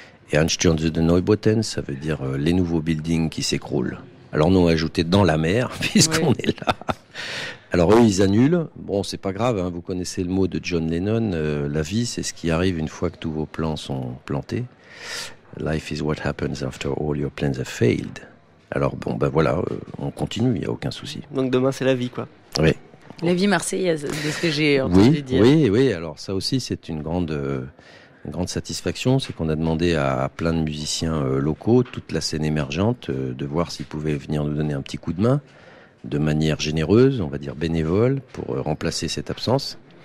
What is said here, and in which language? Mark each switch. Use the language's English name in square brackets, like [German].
[French] Et Einsturz und Neubauten, ça veut dire les nouveaux buildings qui s'écroulent. Alors nous, on a ajouté dans la mer, puisqu'on est là. Alors eux, ils annulent. Bon, c'est pas grave, hein, vous connaissez le mot de John Lennon. La vie, c'est ce qui arrive une fois que tous vos plans sont plantés. [English] Life is what happens after all your plans have failed. [French] Alors bon, ben voilà, on continue, il n'y a aucun souci. Donc demain, c'est la vie, quoi. Oui. La vie marseillaise, de ce que j'ai entendu dire. Oui, oui, alors ça aussi, c'est une grande satisfaction. C'est qu'on a demandé à plein de musiciens locaux, toute la scène émergente, de voir s'ils pouvaient venir nous donner un petit coup de main, de manière généreuse, on va dire bénévole, pour remplacer cette absence.